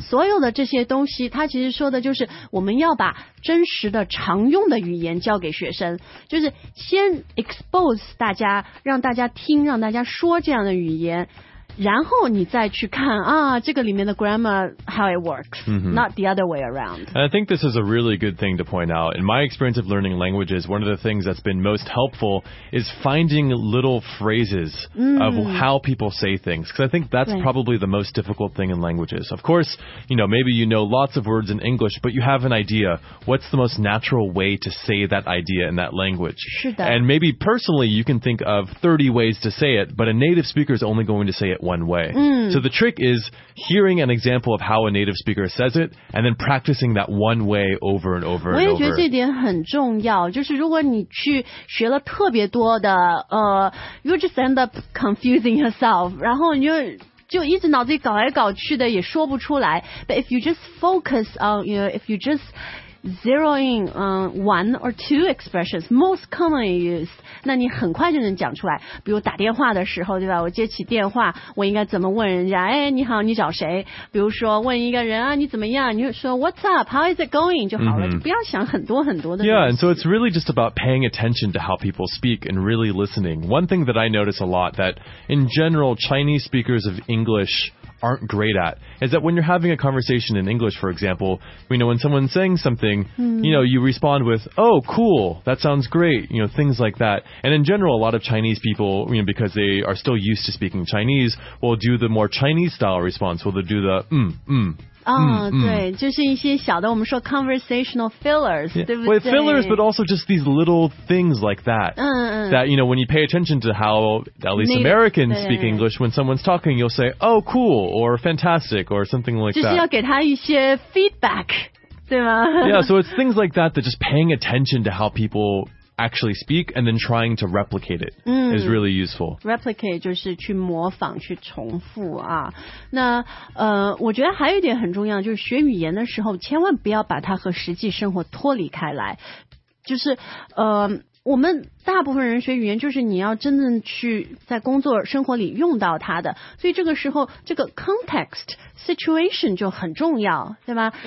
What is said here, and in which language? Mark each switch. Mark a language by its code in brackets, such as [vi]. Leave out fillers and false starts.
[zh] 所有的这些东西它其实说的就是我们要把真实的常用的语言教给学生，就是先 expose 大家，让大家听，让大家说这样的语言，然后你再去看这个里面的 grammar, [en] how it works,、 mm-hmm. not the other way around. And I think this is a really good thing to point out. In my experience of learning languages, one of the things that's been most helpful is finding little phrases、 mm-hmm. of how people say things. Because I think that's、right. probably the most difficult thing in languages. Of course, you know, maybe you know lots of words in English, but you have an idea. What's the most natural way to say that idea in that language? [zh] 是的。 [en] And maybe personally, you can think of 30 ways to say it, but a native speaker is only going to say it one way.、 Mm. So the trick is hearing an example of how a native speaker says it and then practicing that one way over and over and over. [zh] 我也觉得这点很重要，就是如果你去学了特别多的 [en] you just end up confusing yourself, [zh] 然后你就一直脑子里搞来搞去的也说不出来。 [en] But if you just focus on, you know, if you just zeroing one or two expressions most commonly used, [zh] 那你很快就能讲出来，比如打电话的时候，对吧，我接起电话我应该怎么问人家，哎，你好，你找谁，比如说问一个人啊，你怎么样，你就说 [en] what's up, how is it going [zh] 就好了、 mm-hmm. 就不要想很多很多的。 [en] Yeah, and so it's really just about paying attention to how people speak and really listening. One thing that I notice a lot that in general Chinese speakers of Englisharen't great at is that when you're having a conversation in English, for example, you know, when someone's saying something、 mm. you know, you respond with, oh cool, that sounds great, you know, things like that. And in general a lot of Chinese people, you know, because they are still used to speaking Chinese, will do the more Chinese style response, will they do the [zh] 对，就是一些小的，我们说 [en] conversational fillers, [zh] 对不对？ [en] Well, fillers, but also just these little things like that. That, you know, when you pay attention to how at least Native, Americans speak English, when someone's talking, you'll say, oh, cool, or fantastic, or something like that. [zh] 就是要给他一些 feedback, 对吗？ [en] Yeah, so it's things like that, that just paying attention to how people... actually speak and then trying to replicate it、is really useful. [zh] Replicate 就是去模仿去重复啊。那我觉得还有一点很重要，就是学语言的时候千万不要把它和实际生活脱离开来。就是我们大部分人学语言就是你要真正去在工作生活里用到它的，所以这个时候这个 context situation 就很重要，对吧？